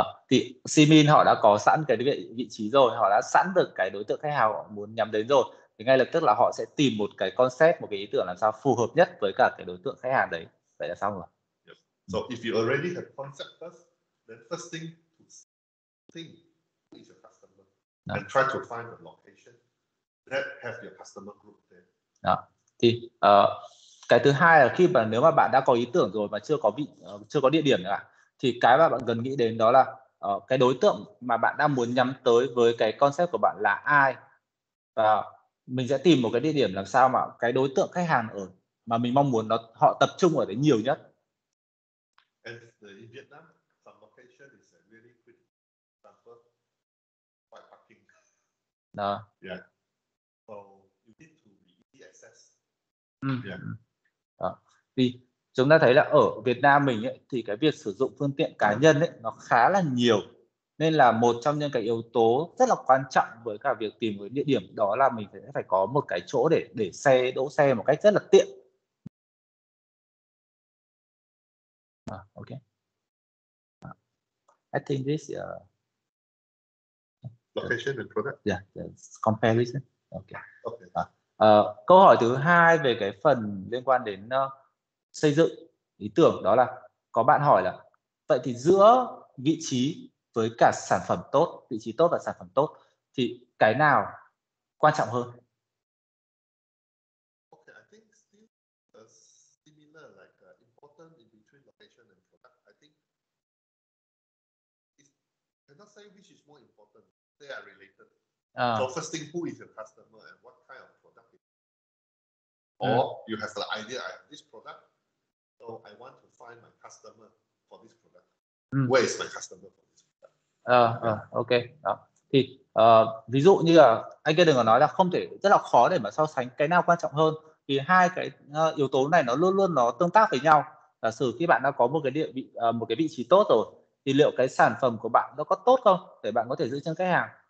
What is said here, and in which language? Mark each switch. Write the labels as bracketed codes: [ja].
[vi] Thì Simin họ đã có sẵn cái vị trí rồi, họ đã sẵn được cái đối tượng khách hàng họ muốn nhắm đến rồi, thì ngay lập tức là họ sẽ tìm một cái concept, một cái ý tưởng làm sao phù hợp nhất với cả cái đối tượng khách hàng đấy. Vậy là xong rồi. [en] So if you already have concept first, then first thing to think is your customer and try to find the location that have your customer group there. [vi] Thì cái thứ hai là khi mà nếu mà bạn đã có ý tưởng rồi mà chưa có vị, chưa có địa điểm nữa, thì cái mà bạn cần nghĩ đến đó là cái đối tượng mà bạn đang muốn nhắm tới với cái concept của bạn là ai, và mình sẽ tìm một cái địa điểm làm sao mà cái đối tượng khách hàng ở mà mình mong muốn nó họ tập trung ở đấy nhiều nhất. [en] And in Vietnam, some location is a really good example, quite parking. [vi] Đó. [en] Yeah. So you need to be easy access. [vi] Thì chúng ta thấy là ở Việt Nam mình ấy, thì cái việc sử dụng phương tiện cá nhân ấy, nó khá là nhiều. Nên là một trong những cái yếu tố rất là quan trọng với cả việc tìm với địa điểm đó là mình sẽ phải có một cái chỗ để xe, đỗ xe một cách rất là tiện. [en] I think this is location and product. Comparison. Okay. [vi] Câu hỏi thứ hai về cái phần liên quan đến xây dựng ý tưởng đó là có bạn hỏi là vậy thì giữa vị trí với cả sản phẩm tốt, vị trí tốt và sản phẩm tốt thì cái nào quan trọng hơn? [en] Okay, I think still similar like important in between location and product. I think it cannot say which is more important. They are related. So first thing, who is your customer and what kind of product is it? Or you have the idea I have this product. So I want to find my customer for this product. Where is my customer for this product? [vi] Thì ví dụ như là anh kia đừng có nói là không thể, rất là khó để mà so sánh cái nào quan trọng hơn. Vì hai cái yếu tố này nó luôn luôn nó tương tác với nhau. Giả sử khi bạn đã có một cái địa vị, một cái vị trí tốt rồi, thì liệu cái sản phẩm của bạn nó có tốt không để bạn có thể giữ chân khách hàng?